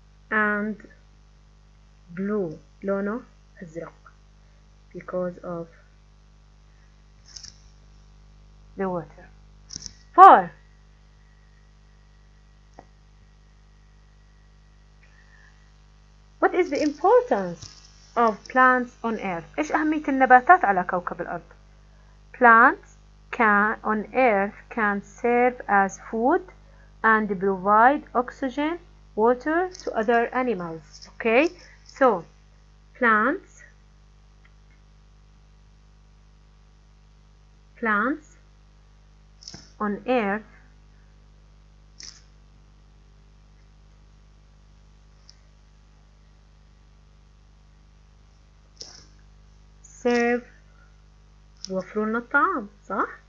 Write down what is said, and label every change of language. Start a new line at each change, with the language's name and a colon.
English: And blue,
Arabic: لونه أزرق
English: because of the water. Four. What is the importance of plants on Earth?
Arabic: إيش أهمية النباتات على كوكب الأرض?
English: Plants can on Earth can serve as food and provide oxygen. Water to other animals. Okay, so plants on earth serve
Arabic: يوفرون الطعام صح?